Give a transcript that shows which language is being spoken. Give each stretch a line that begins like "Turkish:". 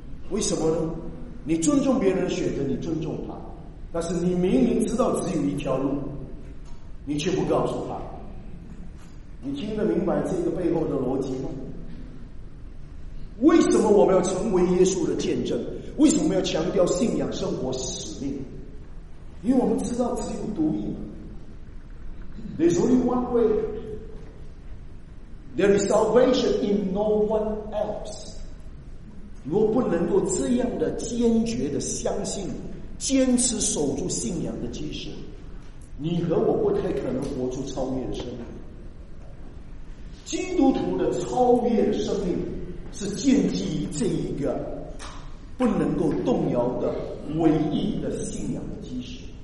Chinese: 为什么呢？你尊重别人的选择，你尊重他，但是你明明知道只有一条路，你却不告诉他。你听得明白这个背后的逻辑吗？为什么我们要成为耶稣的见证？为什么要强调信仰、生活、使命？因为我们知道只有独一。
English: There's only one way. There is salvation in no one else.
Chinese: 如果不能够这样的坚决的相信，坚持守住信仰的基石，你和我不太可能活出超越的生命。基督徒的超越生命是建基于这一个不能够动摇的唯一的信仰的基石。